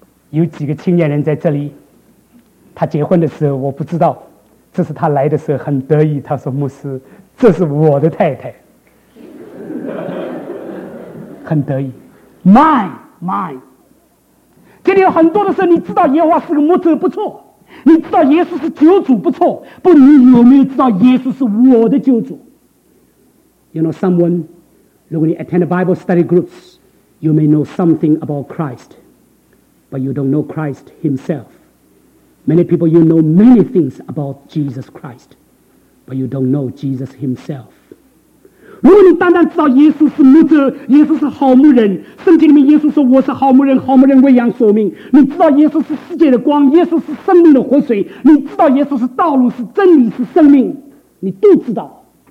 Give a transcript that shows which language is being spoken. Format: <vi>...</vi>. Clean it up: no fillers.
<zh>有几个青年人在这里，他结婚的时候我不知道，这是他来的时候很得意，他说牧师这是我的太太，很得意， mine。这里有很多的时候你知道耶和华是个牧者不错，你知道耶稣是救主不错，不，你有没有知道耶稣是我的救主？</zh> <en>You know someone,</en> <zh>如果你</zh> <en>attend Bible study groups, you may know something about Christ, but you don't know Christ himself. Many people, you know many things about Jesus Christ, but you don't know Jesus himself.</en> <zh>如果你单单知道耶稣是牧者，耶稣是好牧人，圣经里面耶稣说我是好牧人，好牧人喂养所民，你知道耶稣是世界的光，耶稣是生命的活水，你知道耶稣是道路，是真理，是生命，你都知道。</zh>